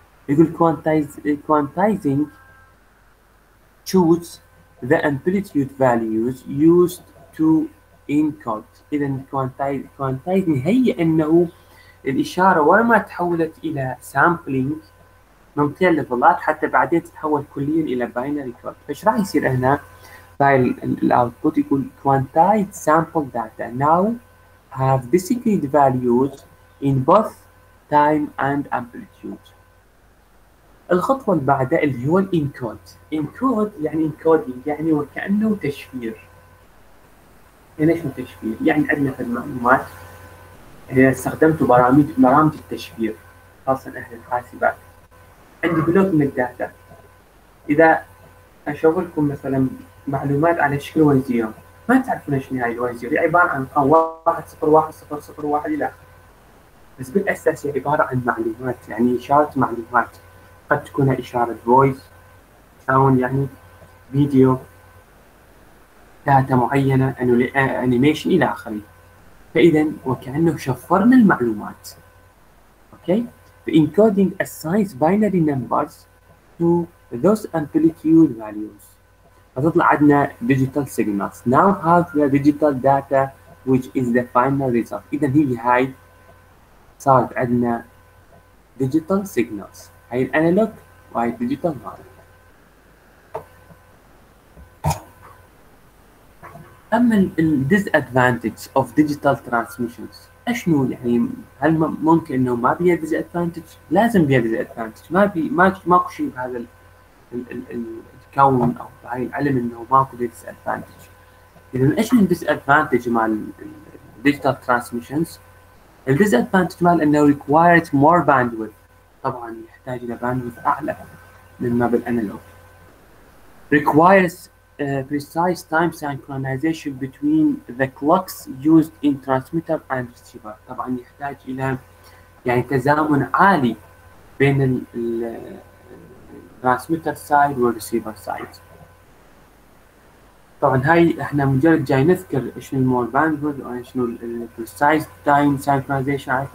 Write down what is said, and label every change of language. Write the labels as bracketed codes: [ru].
[en] يقول quantizing choose the amplitude values used to encode. [ar] اذا quantizing هي انه الاشاره ورا ما تحولت الى sampling نعطيها ليفلات حتى بعدين تتحول كليا الى باينري كود. فايش راح يصير هنا؟ فايل الاوتبوت يقول [en] quantized sample data now have discrete values in both time and amplitude. [ar] الخطوه اللي بعدها اللي هو الانكود. انكود يعني انكودينج يعني وكانه تشفير. يعني ايش تشفير؟ يعني عندنا في المعلومات اللي استخدمت برامج التشفير خاصه اهل الحاسبات. عندي بلوك من الداتا. اذا اشغلكم مثلا معلومات على شكل 1-0 ما تعرفون ايش نهايه 1-0 عباره عن 1-0-1-0-0-1 الى اخره. بس بالاساس هي عباره عن معلومات يعني اشاره معلومات قد تكون اشاره فويس ساوند يعني فيديو داتا معينه انيميشن الى اخره. فاذا وكانه شفرنا المعلومات. اوكي؟ [en] encoding assigns binary numbers to those amplitude values. [ar] فتطلع عندنا digital signals. [en] Now have the digital data which is the final result. [ar] إذا هي هاي صارت عندنا digital signals. هاي الانالوج وهاي الديجيتال مال. أما ال disadvantage of digital transmissions. اشنو يعني هل ممكن انه ما بيها ديز ادفانتج؟ لازم بيها ديز ادفانتج، ماكو شيء بهذا الكون او بهاي العلم انه ماكو ديز ادفانتج. اذا ايش الديز ادفانتج مال الديجيتال ترانسميشنز؟ الديز ادفانتج مال انه [en] required more bandwidth, [ar] طبعا يحتاج الى باندويث اعلى مما بالانالوج. [en] Requires precise time synchronization between the clocks used in transmitter and receiver. [ar] طبعا يحتاج الى يعني تزامن عالي بين ال transmitter side وال receiver side. طبعا هاي احنا مجرد جاي نذكر ايش المور باندويث وايش ال precise time synchronization.